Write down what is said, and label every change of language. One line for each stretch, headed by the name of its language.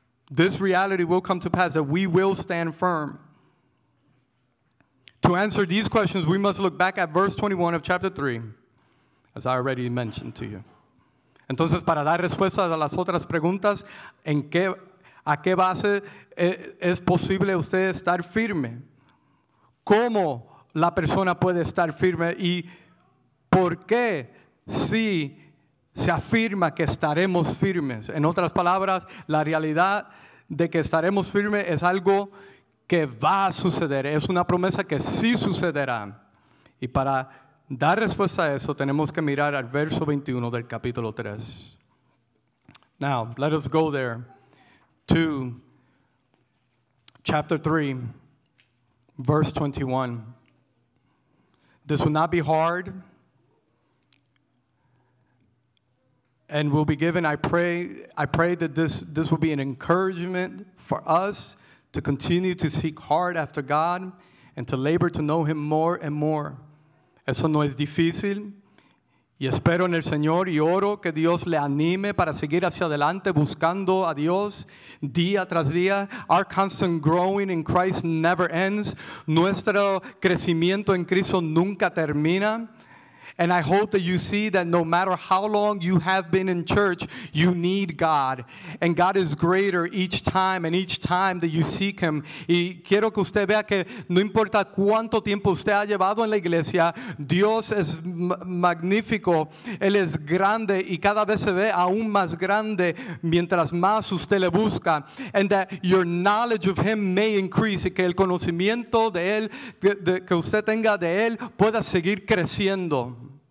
English: This reality will come to pass that we will stand firm. To answer these questions, we must look back at verse 21 of chapter 3, as I already mentioned to you.
Spanish: Entonces, para dar respuesta a las otras preguntas, ¿en qué, a qué base es posible usted estar firme? ¿Cómo la persona puede estar firme? ¿Y por qué si se afirma que estaremos firmes? En otras palabras, la realidad de que estaremos firmes es algo que va a suceder, es una promesa que sí sucederá. Y para dar respuesta a eso, tenemos que mirar al verso 21 del capítulo 3.
English: Now, let us go there to chapter 3, verse 21. This will not be hard and will be given. I pray that this will be an encouragement for us to continue to seek hard after God and to labor to know Him more and more.
Spanish: Eso no es difícil. Y espero en el Señor y oro que Dios le anime para seguir hacia adelante buscando a Dios día tras día.
English: Our constant growing in Christ never ends.
Spanish: Nuestro crecimiento en Cristo nunca termina.
English: And I hope that you see that no matter how long you have been in church, you need God. And God is greater each time and each time that you seek Him.
Spanish: Y quiero que usted vea que no importa cuánto tiempo usted ha llevado en la iglesia, Dios es magnífico. Él es grande y cada vez se ve aún más grande mientras más usted le busca.
English: And that your knowledge of Him may increase.
Spanish: Y que el conocimiento de Él, que usted tenga de Él, pueda seguir creciendo.